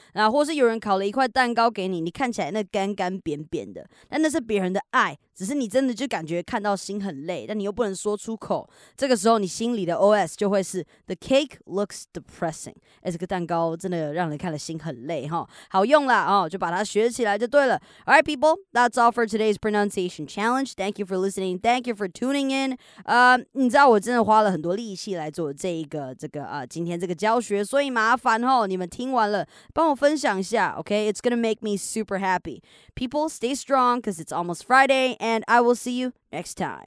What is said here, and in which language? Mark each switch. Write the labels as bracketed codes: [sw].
[zh] 那或是有人烤了一块蛋糕给你，你看起来那干干扁扁的，但那是别人的爱。只是你真的就感觉看到心很累，但你又不能说出口。这个时候你心里的 OS 就会是 [en] The cake looks depressing。 [zh] 这个蛋糕真的让人看了心很累哈，好用啦哦，就把它学起来就对了。 [en] Alright people, that's all for today's pronunciation challenge. Thank you for listening. Thank you for tuning in. [zh] 你知道我真的花了很多力气来做今天这个教学，所以麻烦哦，你们听完了帮我分享一下 OK? [en] It's gonna make me super happy. People, stay strong, cause it's almost Friday. And I will see you next time.